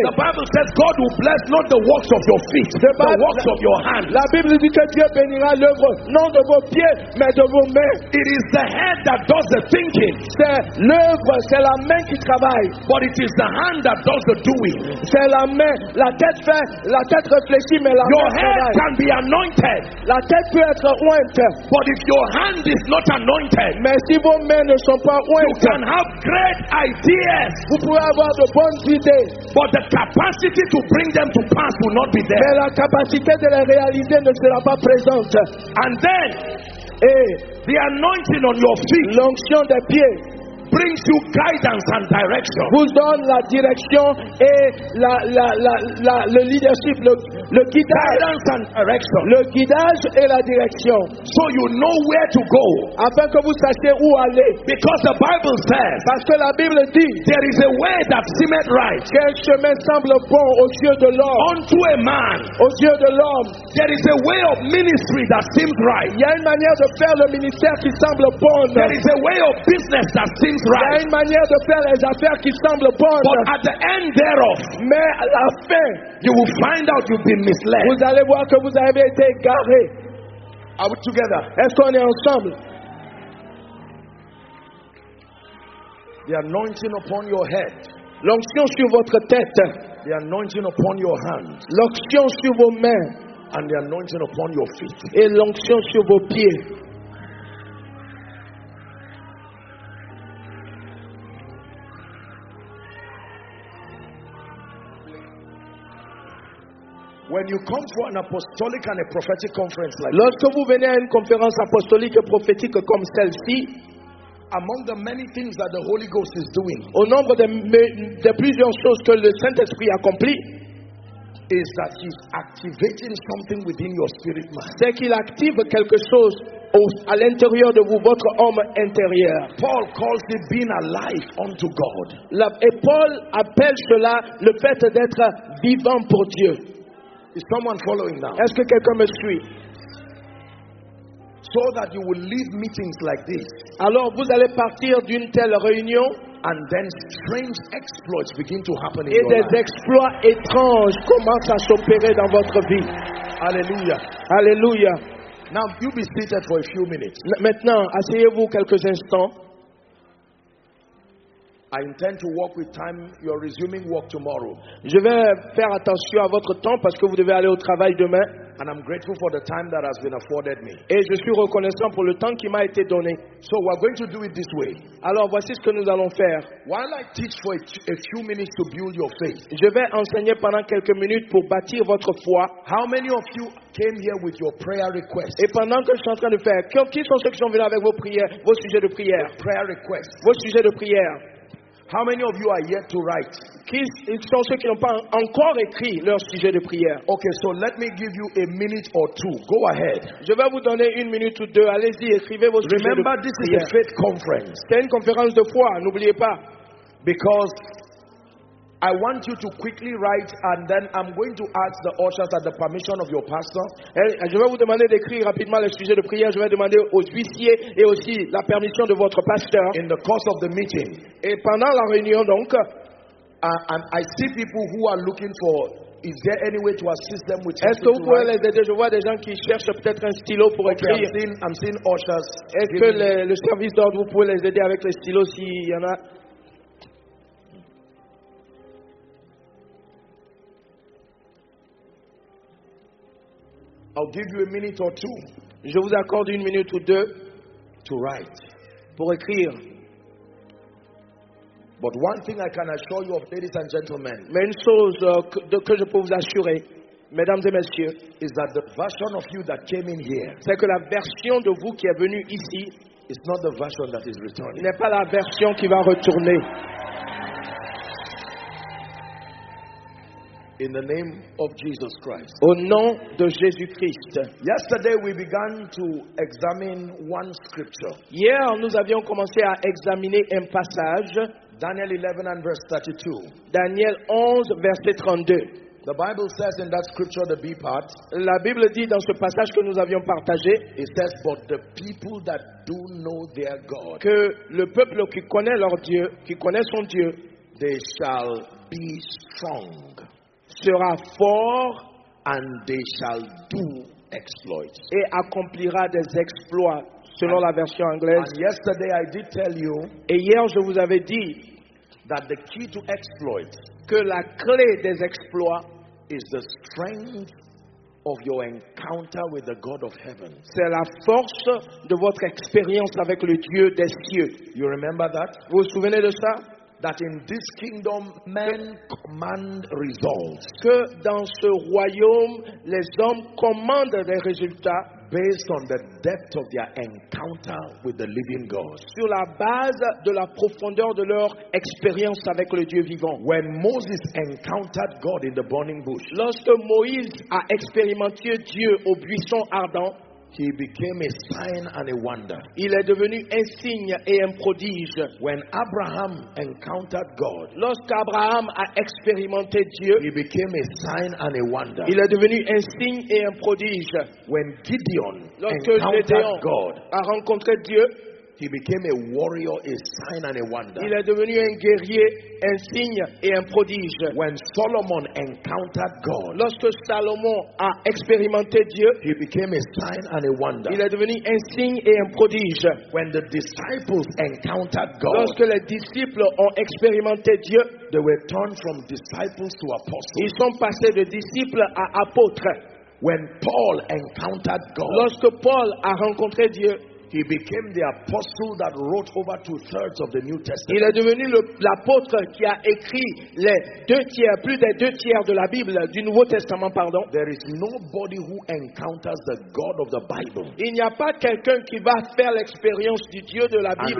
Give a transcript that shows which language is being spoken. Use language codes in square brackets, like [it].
[en] The Bible says God will bless not the works of your feet, the works of your hand. [fr] La Bible dit que Dieu bénira l'œuvre non de vos pieds mais de vos mains. [en] It is the hand that does the thinking. [fr] C'est l'œuvre, c'est la main qui travaille. [en] But it is the hand that does the doing. [fr] C'est la main, la tête fait. La tête réfléchit, mais la [en] your [fr] main [en] head can be anointed. [fr] La tête peut être ointe. [en] But if your hand is not anointed, [fr] mais si vos mains ne sont pas ointes, [en] you can have great ideas. [fr] Vous pouvez avoir de bonnes idées. [en] But the capacity to bring them to pass will not be there. [fr] Mais la capacité de les réaliser ne sera pas présente. [en] And then, [fr] et [en] the anointing on your feet, [fr] l'onction des pieds, [en] brings you guidance and direction. [fr] Vous donne la direction et le leadership, le guidage. [en] Guidance and direction. [fr] Le guidage et la direction. [en] So you know where to go. [fr] Afin que vous sachiez où aller. [en] Because the Bible says. [fr] Parce que la Bible dit. [en] There is a way that seemeth right. [fr] Quel chemin semble bon aux yeux de l'homme. [en] Unto a man. [fr] Aux yeux de l'homme. [en] There is a way of ministry that seems right. [fr] Il y a une manière de faire le ministère qui semble bon. [en] There is a way of business that seems right. [fr] Il y a une manière de faire les affaires qui semble bonne. [en] But at the end thereof, [fr] mais à la fin, [en] you will find out you've been misled. [fr] Vous allez voir que vous avez été égaré. [en] Are we together? [fr] Est-ce qu'on est ensemble? [en] The anointing upon your head, [fr] l'onction sur votre tête. [en] The anointing upon your hands, [fr] l'onction sur vos mains, [en] and the anointing upon your feet. [fr] Et l'onction sur vos pieds. [en] When you come to an apostolic and a prophetic conference like [fr] lorsque vous venez à une conférence apostolique et prophétique comme celle-ci, [en] among the many things that the Holy Ghost is doing, [fr] au nombre de plusieurs choses que le Saint-Esprit accomplit, [en] is that he's activating something within your spirit man. [fr] C'est qu'il active quelque chose à l'intérieur de vous, votre homme intérieur. [en] Paul calls it being alive unto God. [fr] Et Paul appelle cela le fait d'être vivant pour Dieu. [en] Is someone following now? [fr] Est-ce que quelqu'un me suit? [en] So that you will leave meetings like this. [fr] Alors vous allez partir d'une telle réunion. [en] And then strange exploits begin to happen in your life. [fr] Et des exploits étranges commencent à s'opérer dans votre vie. [en] Alléluia. [fr] Alléluia. [en] Now you be seated for a few minutes. [fr] Maintenant, asseyez-vous quelques instants. [en] I intend to work with time. You're resuming work tomorrow. [fr] Je vais faire attention à votre temps parce que vous devez aller au travail demain. [en] And I'm grateful for the time that has been afforded me. [fr] Et je suis reconnaissant pour le temps qui m'a été donné. [en] So we're going to do it this way. [fr] Alors voici ce que nous allons faire. [en] While I teach for a few minutes to build your faith. [fr] Je vais enseigner pendant quelques minutes pour bâtir votre foi. [en] How many of you came here with your prayer request? [fr] Et pendant que je suis en train de faire, qui sont ceux qui sont venus avec vos prières, vos sujets de prière? [en] Prayer request. [fr] Vos sujets de prière. [en] How many of you are yet to write? [fr] Ils sont ceux qui n'ont pas encore écrit leur sujet de prière. [en] Okay, so let me give you a minute or two. Go ahead. [fr] Je vais vous donner une minute ou deux. Allez-y, écrivez vos sujets. [en] Remember, this is a faith conference. [fr] C'est une conférence de foi, n'oubliez pas. [en] Because I want you to quickly write and then I'm going to ask the ushers at the permission of your pastor. [fr] Je vais vous demander d'écrire rapidement le sujet de prière. Je vais demander aux huissiers et aussi la permission de votre pasteur. [en] In the course of the meeting. [fr] Et pendant la réunion donc, [en] I see people who are looking for, is there any way to assist them with something? [fr] Est-ce que vous pouvez les aider? Je vois des gens qui cherchent peut-être un stylo pour écrire. [en] I'm seeing ushers. [fr] Est-ce que le service d'ordre, vous pouvez les aider avec les stylos s'il y en a? [en] I'll give you a minute or two. [fr] Je vous accorde une minute ou deux [en] to write. [fr] Pour écrire. [en] But one thing I can assure you of, ladies and gentlemen, [fr] mais une chose que je peux vous assurer, mesdames et messieurs, [en] is that the version of you that came in here, [fr] c'est que la version de vous qui est venue ici, [en] is not the version that is returning. [fr] N'est pas la version qui va retourner. [en] In the name of Jesus Christ. [fr] Au nom de Jésus-Christ. [en] Yesterday we began to examine one scripture. [fr] Hier nous avions commencé à examiner un passage. [en] Daniel 11 and verse 32. [fr] Daniel 11 verset 32. [en] The Bible says in that scripture, the B part. [fr] La Bible dit dans ce passage que nous avions partagé. [en] It says, but the people that do know their God. [fr] Que le peuple qui connaît leur Dieu, qui connaît son Dieu, [en] they shall be strong. [fr] Sera fort [en] and they shall do exploits. [fr] Et accomplira des exploits selon la version anglaise. [en] And yesterday I did tell you, [fr] et hier je vous avais dit [en] that the key to exploits, [fr] que la clé des exploits [en] is the strength of your encounter with the God of heaven. [fr] C'est la force de votre expérience avec le Dieu des cieux. [en] You remember that? [fr] Vous vous souvenez de ça? [en] That in this kingdom men command results. [fr] Que dans ce royaume les hommes commandent des résultats [en] based on the depth of their encounter with the living God. [fr] Sur la base de la profondeur de leur expérience avec le Dieu vivant. [en] When Moses encountered God in the burning bush. [fr] Lorsque Moïse a expérimenté Dieu au buisson ardent, [en] he became a sign and a wonder. [fr] Il est devenu un signe et un prodige. [en] When Abraham encountered God, [fr] lorsqu'Abraham a expérimenté Dieu, [en] he became a sign and a wonder. [fr] Il est devenu un signe et un prodige. [en] When Gideon encountered God, [fr] a rencontré Dieu, [en] he became a warrior, a sign and a wonder. [fr] Il est devenu un guerrier, un signe et un prodige. [en] When Solomon encountered God, [fr] lorsque Salomon a expérimenté Dieu, [en] he became a sign and a wonder. [fr] Il est devenu un signe et un prodige. [en] When the disciples encountered God, [fr] lorsque les disciples ont expérimenté Dieu, [en] they were turned from disciples to apostles. [fr] Ils sont passés de disciples à apôtres. [en] When Paul encountered God, [fr] lorsque Paul a rencontré Dieu, [en] he became the apostle that wrote over 2/3 of the New Testament. [fr] Il est devenu l'apôtre qui a écrit les deux tiers, plus des deux tiers de la Bible, du Nouveau Testament, pardon. [en] There is nobody who encounters the God of the Bible. [fr] Il n'y a pas quelqu'un qui va faire l'expérience du Dieu de la Bible